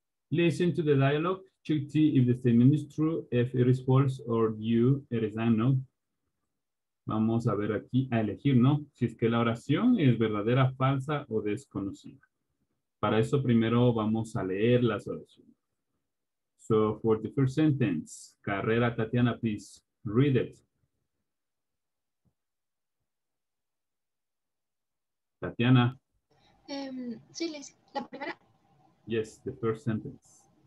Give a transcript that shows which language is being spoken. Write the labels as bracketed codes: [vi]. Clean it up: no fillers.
[en] Listen to the dialogue, check T if the statement is true, if it is false, or you, it is unknown. [es] Vamos a ver aquí, a elegir, ¿no? Si es que la oración es verdadera, falsa, o desconocida. Para eso primero vamos a leer las oraciones. [en] So, for the first sentence, carrera Tatiana, please, read it. Tatiana. [es] Sí, Liz, la primera. [en] Yes, the first sentence.